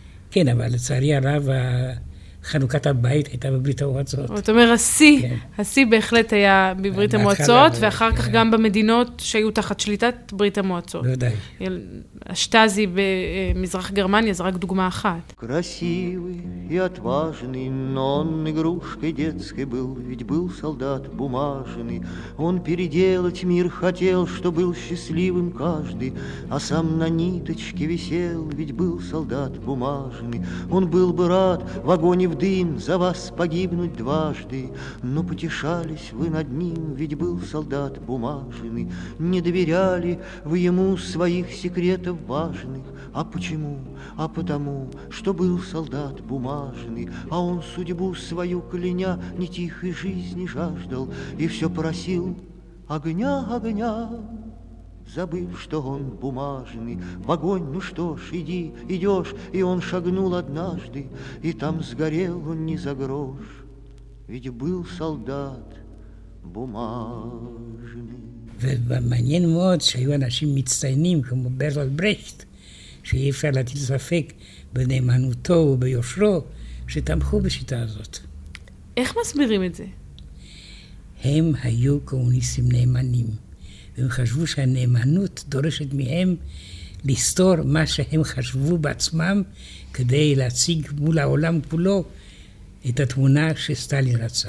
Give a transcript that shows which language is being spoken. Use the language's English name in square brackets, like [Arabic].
[Hebrew] כן, אבל לצערי הרב, חנוכת הבית הייתה בברית המועצות. זאת אומרת, השיא, השיא בהחלט היה בברית המועצות, ואחר כך גם במדינות שהיו תחת שליטת ברית המועצות. בוודאי. השטאזי במזרח גרמניה זה רק דוגמה אחת. [Russian] Красивый и отважный, но он игрушкой детской был, ведь был солдат бумажный. Он переделать мир хотел, что был счастливым каждый, а сам на ниточке висел, ведь был солдат бумажный. Он был бы рад в огонь и в дым за вас погибнуть дважды, но потешались вы над ним, ведь был солдат бумажный. Не доверяли вы ему своих секретов важных. А почему? А потому, что был солдат бумажный, а он судьбу свою кляня не тихой жизни жаждал и все просил огня, огня, забыв, что он бумажный. В огонь, ну что ж, иди, идешь, и он шагнул однажды, и там сгорел он не за грош, ведь был солдат бумажный. [Hebrew] ומעניין מאוד שהיו אנשים מצטיינים כמו ברטולד ברכט, שאי אפשר להטיל ספק בנאמנותו וביושרו, שתמכו בשיטה הזאת. איך מסבירים את זה? הם היו קומוניסטים נאמנים, והם חשבו שהנאמנות דורשת מהם לסתור מה שהם חשבו בעצמם, כדי להציג מול העולם כולו את התמונה שסטלין רצה.